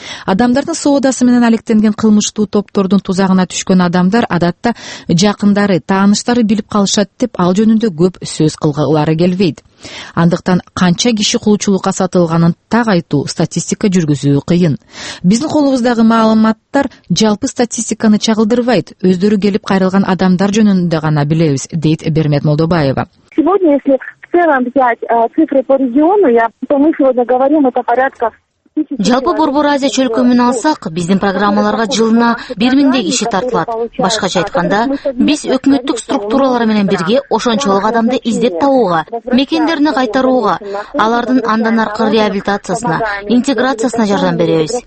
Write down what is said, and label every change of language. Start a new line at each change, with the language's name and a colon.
Kyrgyz: Адамдардын соодасы менен алектенген кылмыштуу топтордун тузагына түшкөн адамдар адатта жакындары, тааныштары билип калышат деп ал жөнүндө көп сөз кылгылары келбейт. Андыктан канча киши кулчулукка сатылганын так айтуу, статистика жүргүзүү кыйын. Биздин колубуздагы маалыматтар жалпы статистиканы чагылдырбайт, өздөрү келип кайрылган адамдар жөнүндө гана билебиз, дейт Бермет Молдобаева.
Russian: Сегодня, если в целом взять цифры по региону, то мы сегодня говорим это порядка.
Kyrgyz: Жалпы Борбор Азия чөлкөмүн алсак, биздин программаларга жылына 1000 киши тартылат. Башкача айтканда, биз өкмөттүк структуралар менен бирге ошончолук адамды издеп табууга, мекендерине кайтарууга, алардын андан аркы реабилитациясына, интеграциясына жардам беребиз.